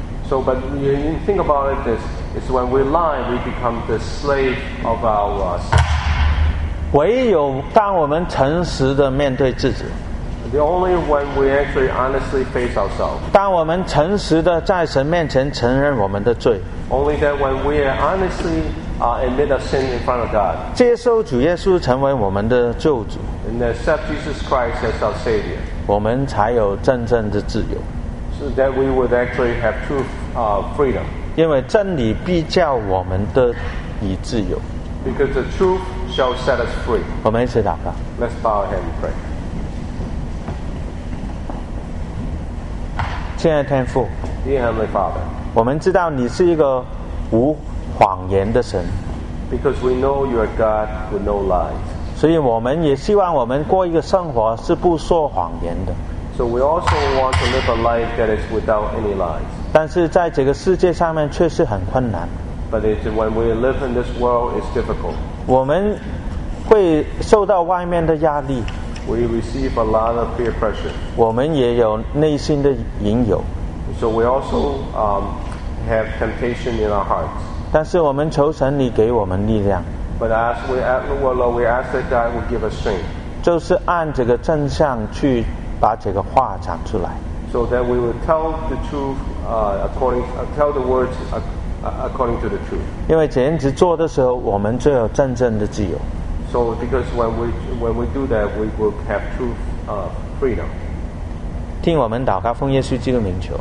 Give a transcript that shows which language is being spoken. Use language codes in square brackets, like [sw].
[en] So, but you think about it, it's when we lie, we become the slave of ours. [zh] 唯有当我们诚实的面对自己。 [en] The only when we actually honestly face ourselves. [zh] 当我们诚实的在神面前承认我们的罪。 [en] Only that when we are honestly admit our sin in front of God. [zh] 接受主耶稣成为我们的救主。 [en] And accept Jesus Christ as our Savior. [zh] 我们才有真正的自由。 [en] So that we would actually have true freedom. [zh] 因为真理必叫我们得以自由。 [en] Because the truth shall set us free. [zh] 我们一起祷告。 [en] Let's bow our head and pray. [zh] 亲爱的天父。 [en] Dear Heavenly Father. [zh] 我们知道你是一个无谎言的神。 [en] Because we know you are God with no lies. [zh] 所以我们也希望我们过一个生活是不说谎言的。 [en] So we also want to live a life that is without any lies. [zh] 但是在这个世界上面确实很困难。 [en] But when we live in this world, it's difficult. [zh] 我们会受到外面的压力。 [en] We receive a lot of peer pressure. [zh] 我们也有内心的引诱。 [en] So we also have temptation in our hearts. [zh] 但是我们求神你给我们力量。 [en] But as we ask the Lord, we ask that God would give us strength. [zh] 就是按这个真相去把这个话讲出来。 [en] So that we would tell the truth tell the words according to the truth. [zh] 因为这样子做的时候，我们就有真正的自由。 [en] So because when we do that, we will have true freedom. [zh] 听我们祷告，奉耶稣基督名求。